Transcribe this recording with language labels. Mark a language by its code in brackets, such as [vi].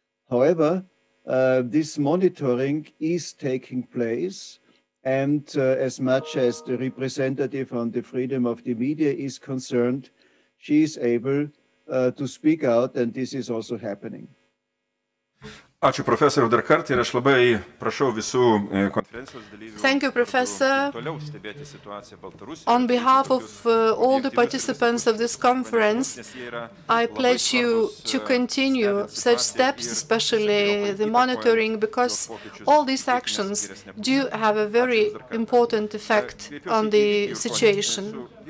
[en] However, this monitoring is taking place, and as much as the representative on the freedom of the media is concerned, she is able to speak out, and this is also happening. [lt] Ačiū, profesoriau, dar kartą ir aš labai prašau visų konferencijos dalyvių. [en] Thank you, professor. [lt] Toliau stebėti situaciją Baltarusijoje. [en] On behalf of all the participants of this conference, I pledge you to continue such steps, especially the monitoring, because all these actions do have a very important effect on the situation.